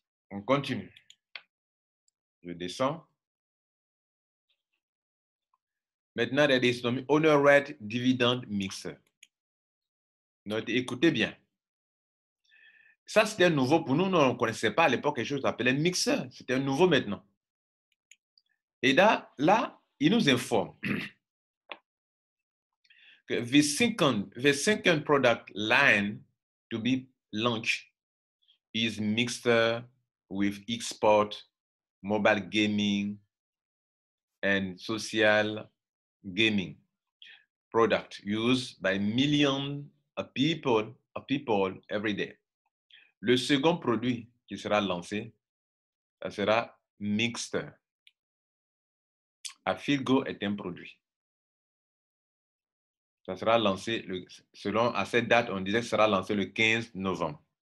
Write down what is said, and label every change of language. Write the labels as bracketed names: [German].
[French] On continue. Je descends. Maintenant, il y a des honorate dividend mixer. Donc, écoutez bien. Ça, c'était nouveau pour nous. Nous, on ne connaissait pas à l'époque quelque chose qu'on appelait mixeur. C'était nouveau maintenant. Et là, il nous informe que [English] the second product line to be launched is mixer with export, mobile gaming and social gaming product used by millions of people every day. [French] Le second produit qui sera lancé, ça sera mixer. Afilgo est un produit. Ça sera lancé, selon à cette date, on disait que ça sera lancé le 15 novembre.